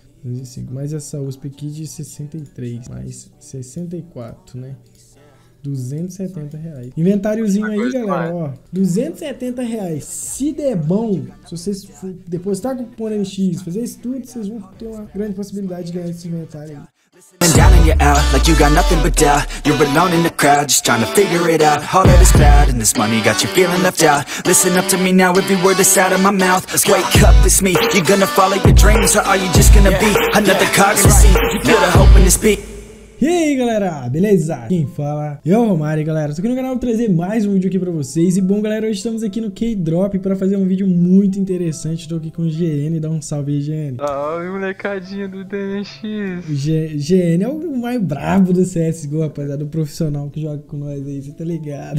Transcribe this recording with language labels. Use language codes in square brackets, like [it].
[pt] 205, mais essa USP aqui de 63, mais 64, né? R$ 270. Inventáriozinho aí, galera, ó. R$ 270. Se der bom, se vocês depositar com o cupom MX, fazer isso tudo, vocês vão ter uma grande possibilidade de ganhar esse inventário aí. [en] Down and you're out, like you got nothing but doubt. You're alone in the crowd, just trying to figure it out. All that is bad, and this money got you feeling left out. Listen up to me now, every word that's out of my mouth. Let's wake up, it's me. You're gonna follow your dreams, or are you just gonna be another cog in the machine? Feel the hope in this beat. [pt] E aí, galera, beleza? Quem fala é o Romário, galera. Tô aqui no canal pra trazer mais um vídeo aqui pra vocês. E bom, galera, hoje estamos aqui no K-Drop pra fazer um vídeo muito interessante. Tô aqui com o GN, dá um salve aí, GN. Salve, molecadinha do DNX. GN é o mais brabo do CSGO, rapaziada. O profissional que joga com nós aí, você tá ligado?